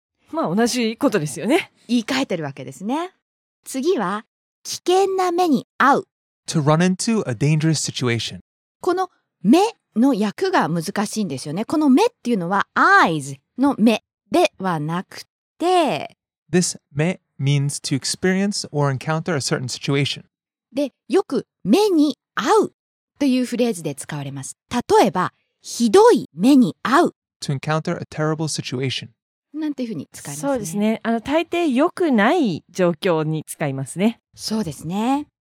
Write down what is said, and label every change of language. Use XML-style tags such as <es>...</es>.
<ja>まあ同じことですよね。言い換えてるわけですね。次は危険な目に遭う</ja> <en>To run into a dangerous situation.</en> <ja>この目の訳が難しいんですよね。この目っていうのは eyes の目ではなくて</ja> <en>This 目 means to experience or encounter a certain situation.</en> <ja>で、よく目に遭うというフレーズで使われます。例えば、ひどい目に遭う</ja> <en>To encounter a terrible situation.</en> <ja>なんていうふうに使いますね。そうですね。大抵良くない状況に使いますね。そうですね。</ja>